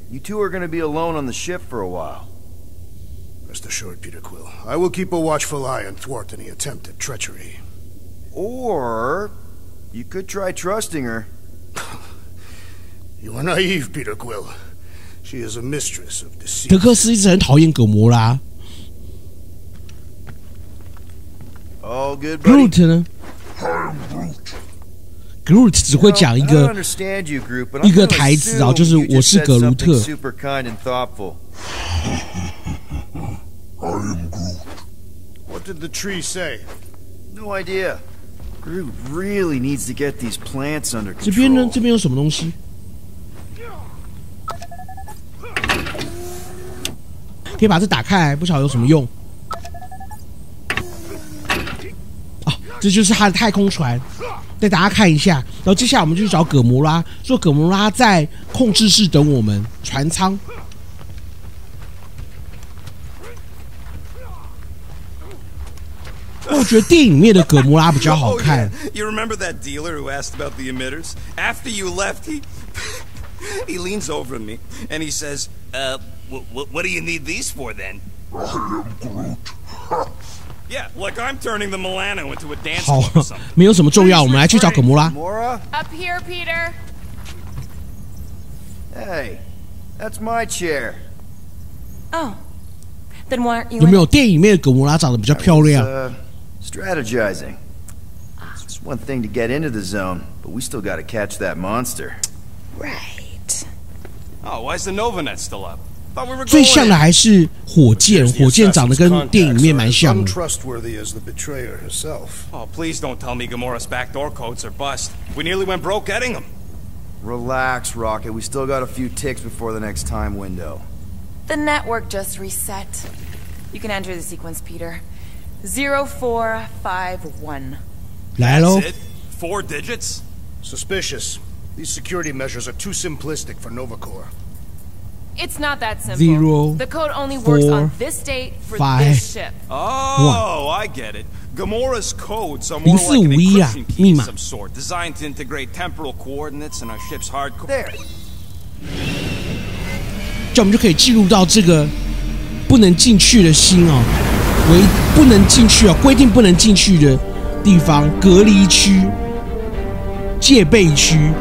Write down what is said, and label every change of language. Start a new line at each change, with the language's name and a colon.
English: You two are gonna be alone on the ship for a while. Rest assured, Peter Quill. I will keep a watchful eye and thwart any attempt at treachery. Or you could try trusting her. You are naive, Peter Quill. She is a mistress of deceit.
Chinese: 德克斯一直很讨厌葛摩拉。
English: All good,
Chinese: Groot 呢
English: ？I am Groot.
Chinese: Groot 只会讲一个
English: you know, I don't understand you, Groot, but
Chinese: 一个台词啊，就是我是葛鲁特。
English: Super kind and thoughtful. I am Groot. What did the tree say? No idea. Groot really needs to get these plants under control.
Chinese: 这边呢？这边有什么东西？可以把这打开，不晓得有什么用。啊，这就是他的太空船，带大家看一下。然后接下来我们就去找葛摩拉，说葛摩拉在控制室等我们，船舱。我觉得电影里面的葛摩拉比较好看。
English: Oh, yeah. You remember that dealer who asked about the emitters? After you left, he leans over me and he says, What do you need these for, then? I am Groot. Yeah, like I'm turning the Milano into a dance floor or something.
Chinese: 好，没有什么重要，我们来去找葛摩拉。
English: Up here, Peter. Hey, that's my chair. Oh, then why aren't you?
Chinese: 有没有电影里面的葛摩拉长得比较漂亮
English: ？Strategizing. It's one thing to get into the zone, but we still got to catch that monster. Right. Oh, why is the Nova Net still up?
Chinese: 最像的还是火箭，火箭长得跟电影里面蛮像的。
English: Untrustworthy as the betrayer herself. Oh, please don't tell me Gamora's backdoor codes are bust. We nearly went broke getting them. Relax, Rocket. We still got a few ticks before the next time window. The network just reset. You can enter the sequence, Peter. 0451.
Chinese: 来喽。
English: Four digits? Suspicious. These security measures are too simplistic for Nova Corps. It's not that simple. Zero, the code only works on this date for five, this ship. Oh, I get it. Gamora's codes are more like an encryption key of some sort, designed to integrate temporal coordinates in our ship's hard core. There.
Chinese: 这我们就可以进入到这个不能进去的心哦，为不能进去啊，规定不能进去的地方，隔离区、戒备区。